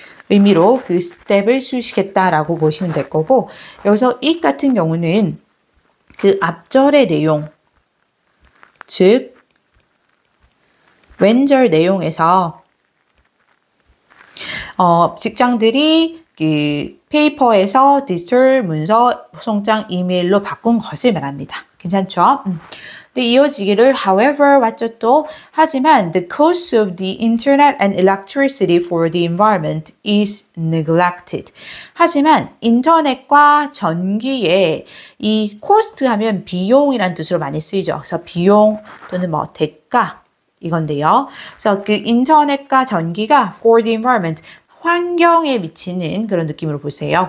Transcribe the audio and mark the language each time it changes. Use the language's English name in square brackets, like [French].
[Korean] 의미로 그 스텝을 수식했다라고 보시면 될 거고, 여기서 it 같은 경우는 그 앞절의 내용, 즉, when절 내용에서, 직장들이 그 페이퍼에서 디지털 문서 소송장 이메일로 바꾼 것을 말합니다. 괜찮죠? 이어지기를 [English] however [Korean] 왔죠 또 하지만 [English] the cost of the internet and electricity for the environment is neglected. [Korean] 하지만 인터넷과 전기의 이 cost 하면 비용이란 뜻으로 많이 쓰이죠. 그래서 비용 또는 뭐 대가 이건데요. 그래서 그 인터넷과 전기가 [English] for the environment [Korean] 환경에 미치는 그런 느낌으로 보세요.